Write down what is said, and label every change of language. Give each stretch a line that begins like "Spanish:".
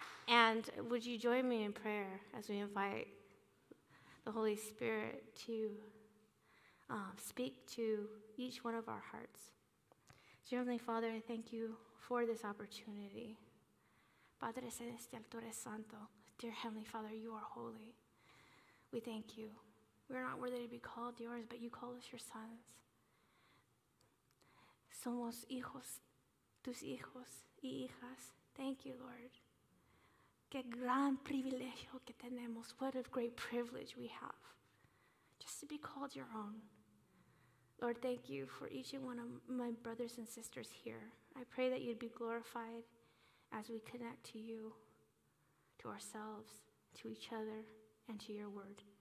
English: And would you join me in prayer as we invite the Holy Spirit to speak to each one of our hearts? Dear Heavenly Father, I thank you for this opportunity.
Spanish: Padre Celestial, Tú eres Santo.
English: Dear Heavenly Father, you are holy. We thank you. We are not worthy to be called yours, but you call us your sons.
Spanish: Somos hijos, tus hijos y hijas.
English: Thank you, Lord.
Spanish: Qué gran privilegio que tenemos.
English: What a great privilege we have just to be called your own. Lord, thank you for each and one of my brothers and sisters here. I pray that you'd be glorified as we connect to you, to ourselves, to each other, and to your word.